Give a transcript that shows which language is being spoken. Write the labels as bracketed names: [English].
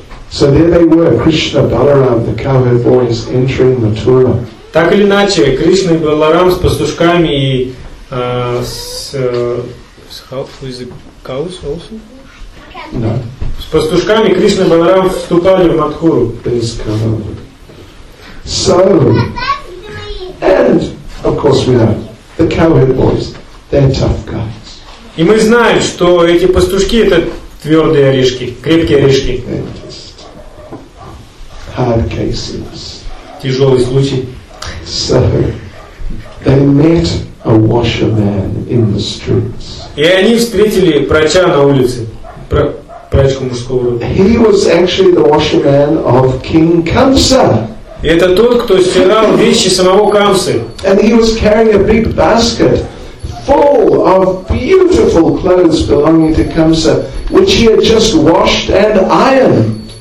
[English] So there they were, Krishna, Balaram, the cowherd boys entering Mathura. [Russian] Так или иначе, Кришна и Баларам с пастушками и с [English] how is the cows also? No. [Russian] С пастушками Кришна и Баларам вступали в Мадхуру. [English] So and of course we know the cowherd boys, they're tough guys. [Russian] И мы знаем, что эти пастушки это твердые орешки, крепкие орешки. [English] Hard cases. [Russian] Тяжелый случай. [English] So they met a washerman in the streets. [Russian] И они встретили прача на улице, прачку мужского рода. [English] He was actually the washerman of King Kamsa. [Russian] И это тот, кто стирал вещи самого Камсы. [English] And he was carrying a big basket full of beautiful clothes belonging to Kamsa, which he had just washed and ironed.